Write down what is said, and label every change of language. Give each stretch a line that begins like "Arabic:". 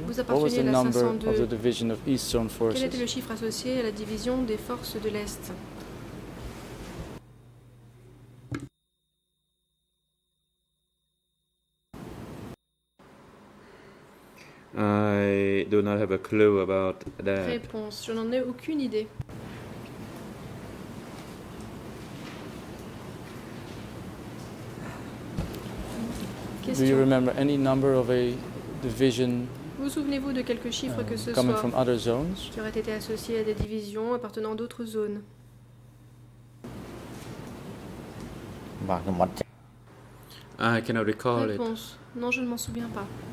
English: What was the number of the division of East Zone forces?
French: Quel était le chiffre associé à la division des forces de l'Est?
English: I do not have a clue about that.
French: Réponse, je n'en ai aucune idée.
English: Do you remember any number of a division?
French: Vous souvenez-vous de quelques chiffres que ce
English: coming
French: soit
English: from other zones?
French: Qui auraient été associés à des divisions appartenant à d'autres zones?
English: I cannot recall
French: réponse.
English: It.
French: Réponse, non, je ne m'en souviens pas.